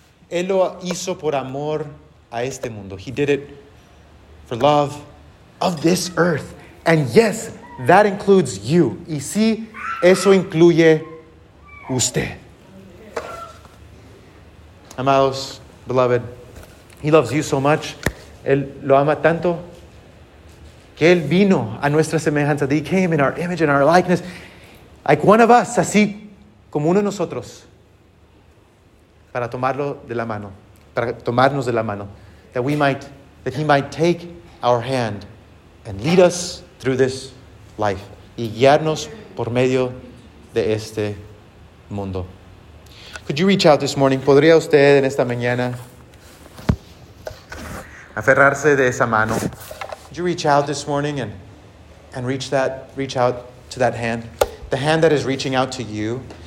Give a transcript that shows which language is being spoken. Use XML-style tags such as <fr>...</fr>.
<es>Él lo hizo por amor a este mundo.</es> <en>He did it for love of this earth. And yes, that includes you.</en> <es>Y sí, eso incluye usted.</es> <en>Amados, beloved, he loves you so much.</en> <es>Él lo ama tanto que él vino a nuestra semejanza.</es> <en>He came in our image, in our likeness. Like one of us,</en> <es>así como uno de nosotros. Para tomarlo de la mano. Para tomarnos de la mano.</es> <en>That he might take our hand and lead us through this life.</en> <es>Y guiarnos por medio de este mundo.</es> <en>Could you reach out this morning?</en> <es>¿Podría usted en esta mañana aferrarse de esa mano?</es> <en>Could you reach out this morning and reach out to that hand? The hand that is reaching out to you.</en>